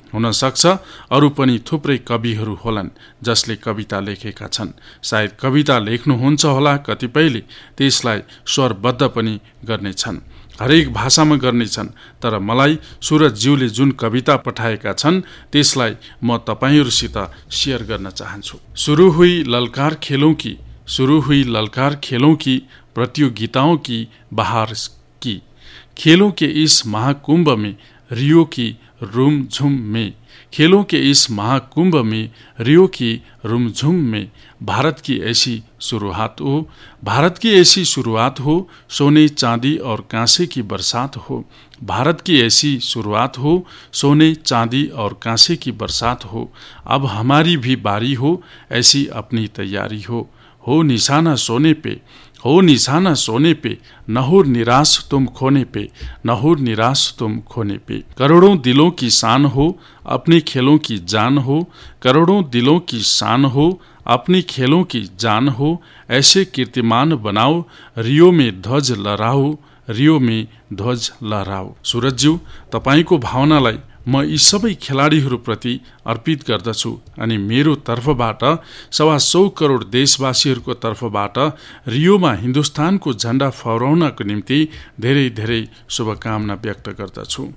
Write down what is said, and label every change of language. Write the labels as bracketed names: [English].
[Nepali] हुनसक्छ अरू पनि थुप्रै कविहरू होलान् जसले कविता लेखेका छन्। सायद कविता लेख्नुहुन्छ होला कतिपयले, त्यसलाई स्वरबद्ध पनि गर्नेछन्, हरेक भाषामा गर्नेछन्। तर मलाई सूरजज्यूले जुन कविता पठाएका छन् त्यसलाई म तपाईँहरूसित सेयर गर्न चाहन्छु। [Hindi] सुरु हुई ललकार खेलौँ कि, सुरु हुई ललकार खेलौँ कि, प्रतियोगिताओं की बहार की, खेलों के इस महाकुम्भ में रियो की रुम झुम में, खेलों के इस महाकुंभ में रियो की रुम झुम में, भारत की ऐसी शुरुआत हो, भारत की ऐसी शुरुआत हो, सोने चांदी और कांसे की बरसात हो, भारत की ऐसी शुरुआत हो, सोने चांदी और कांसे की बरसात हो, अब हमारी भी बारी हो, ऐसी अपनी तैयारी हो, हो निशाना सोने पे, हो निशाना सोने पे, न हो निराश तुम खोने पे, न हो निराश तुम खोने पे, करोड़ों दिलों की शान हो, अपने खेलों की जान हो, करोड़ों दिलों की शान हो, अपने खेलों की जान हो, ऐसे कीर्तिमान बनाओ, रियो में ध्वज लहराओ, रियो में ध्वज लहराओ। [Nepali] सूरजज्यू, तपाईको भावनालाई म यी सबै खेलाडीहरूप्रति अर्पित गर्दछु अनि मेरो तर्फबाट 125 करोड देशवासीहरूको तर्फबाट रियोमा हिन्दुस्तानको झण्डा फहराउनको निम्ति धेरै धेरै शुभकामना व्यक्त गर्दछु।